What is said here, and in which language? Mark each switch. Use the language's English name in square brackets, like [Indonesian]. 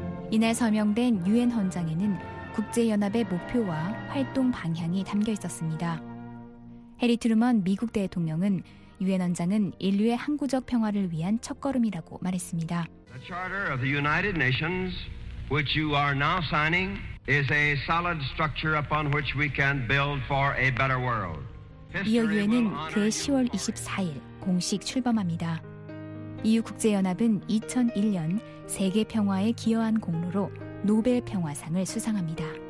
[Korean] 이날 서명된 UN 헌장에는 국제연합의 목표와 활동 방향이 담겨 있었습니다. 해리 트루먼 미국 대통령은 UN 헌장은 인류의 항구적 평화를 위한 첫걸음이라고 말했습니다. [English] The Charter of the United Nations, which you are now signing, is a solid structure upon which we can build for a better world. [Korean] 이어 UN은 그해 10월 24일 공식 출범합니다. 이후 국제연합은 2001년 세계 평화에 기여한 공로로 노벨 평화상을 수상합니다.